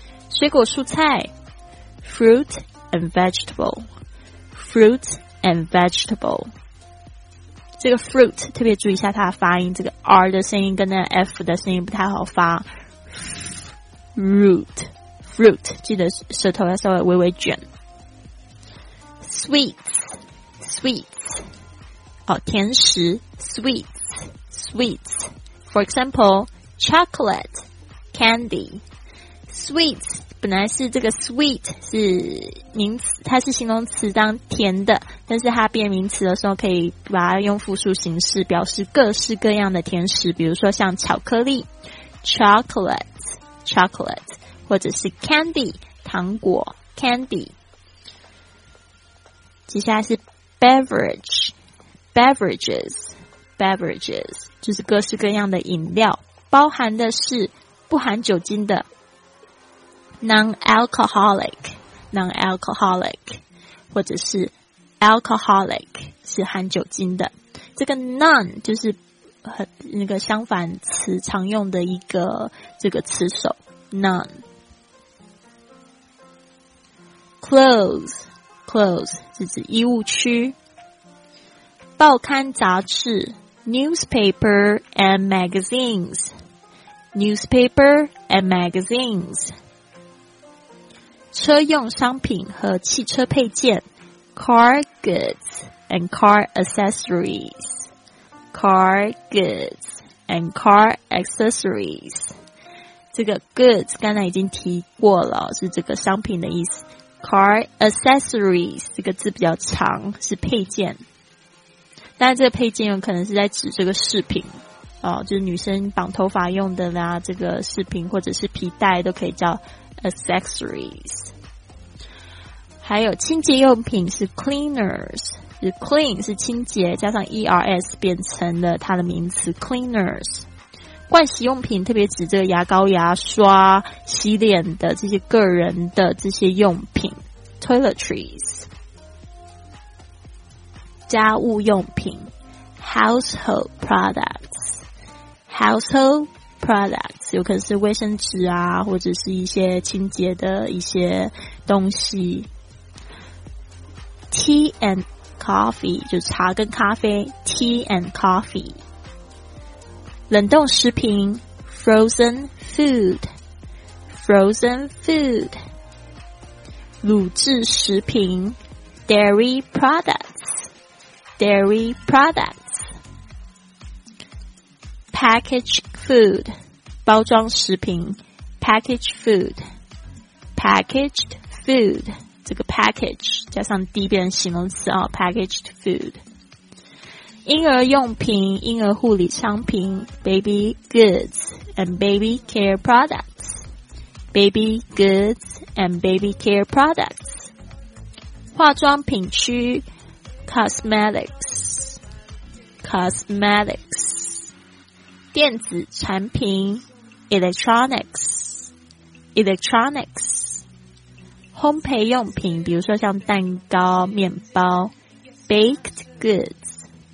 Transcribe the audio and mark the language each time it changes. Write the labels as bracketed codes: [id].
[zh] 水果蔬菜 [en] fruit and vegetable， [zh] fruit and vegetable， 这个 fruit 特别注意一下它的发音，这个 r 的声音跟那个 f 的声音不太好发， fruit fruit， 记得舌头要稍微微微卷。 [en] Sweets, sweets, [zh] 哦，甜食 [en] ，sweets, sweets. For example, chocolate, candy. [zh] Sweets 本来是这个 sweet 是名词，它是形容词当甜的，但是它变名词的时候可以把它用复数形式表示各式各样的甜食，比如说像巧克力 ，chocolate, chocolate， 或者是 candy 糖果 ，candy。接下来是 beverage， beverages， beverages， 就是各式各样的饮料，包含的是不含酒精的 non-alcoholic， non-alcoholic， 或者是 alcoholic， 是含酒精的。这个 non 就是和那个相反词常用的一个这个词首 non。 [en] clothes，clothes [zh] 是指衣物区，报刊杂志 [en] newspaper and magazines， newspaper and magazines， [zh] 车用商品和汽车配件 [en] car goods and car accessories， [zh] car goods and car accessories， 这个 goods 刚才已经提过了，是这个商品的意思。 Car accessories 这个字比较长，是配件，但这个配件有可能是在指这个饰品、就是女生绑头发用的啦，这个饰品或者是皮带都可以叫 accessories。还有清洁用品是 cleaners， 是 clean 是清洁加上 ers 变成了它的名词 cleaners。盥洗用品特别指这个牙膏、牙刷、洗脸的这些个人的这些用品 toiletries。家务用品 [en] household products， [zh] household products 有可能是卫生纸啊，或者是一些清洁的一些东西。 [en] tea and coffee [zh] 就是茶跟咖啡， [en] tea and coffee。 [zh] 冷冻食品 [en] frozen food， frozen food。 [zh] 乳制食品 [en] Dairy products, dairy products. Packaged food, [zh] 包装食品 [en] packaged food, packaged food. [zh] 这个 package 加上 d 变形容词啊 [en] packaged food. [zh] 婴儿用品，婴儿护理商品 [en] baby goods and baby care products, baby goods and baby care products. [zh] 化妆品区 Cosmetics Cosmetics 电子产品 Electronics Electronics 烘焙用品比如说像蛋糕面包 [en] Baked goods